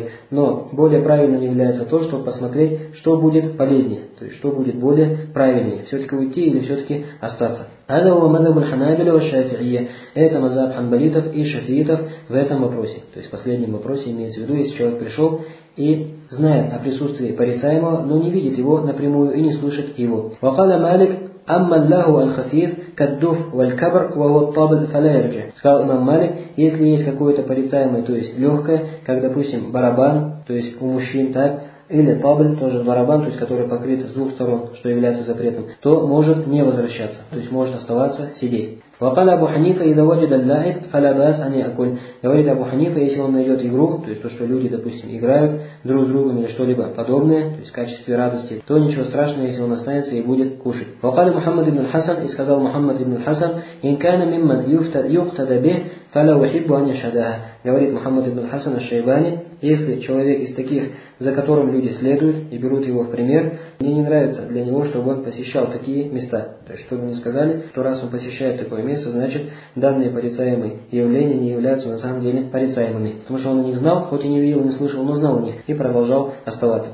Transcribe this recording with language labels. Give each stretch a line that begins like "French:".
Russian: Но более правильным является то, чтобы посмотреть, что будет полезнее, то есть что будет более правильнее, все-таки уйти или все-таки остаться.
Arabic: هذا هو مذهب الحنابلة والشافعية.
Russian: Это мазхаб ханбалитов и шафиитов в этом вопросе. То есть в последнем вопросе имеется в виду, если человек пришел и знает о присутствии порицаемого, но не видит его напрямую и не слышит его.
Arabic: وقال مالك أما الله الخفيف كالدف والكبر وهو الطبل فلا يرجع.
Russian: Сказал имам Малик, если есть какое-то порицаемое, то есть легкое, как допустим барабан, то есть у мужчин так, или табль, тоже барабан, то есть который покрыт с двух сторон, что является запретом, то может не возвращаться, то есть может оставаться сидеть.
Arabic: وقال أبو حنيفة إذا وجد اللاعب فلا بأس أن يأكل.
Russian: Говорит Абу Ханифа, если он найдет игру, то есть то, что люди, допустим, играют друг с другом или что-либо подобное, то есть в качестве радости, то ничего страшного, если он останется и будет кушать.
Arabic: وقال محمد بن الحسن,
Russian: и сказал
Arabic: محمد بن الحسن, إن كان ممن يقتدى به فلا أحب أن يشهدها.
Russian: Говорит Мухаммад ибн Хасан аш-Шайбани, Если человек из таких, за которым люди следуют и берут его в пример, мне не нравится для него, чтобы он посещал такие места. То есть, чтобы не сказали, что раз он посещает такое место, значит, данные порицаемые явления не являются на самом деле порицаемыми. Потому что он о них знал, хоть и не видел, не слышал, но знал о них и продолжал оставаться.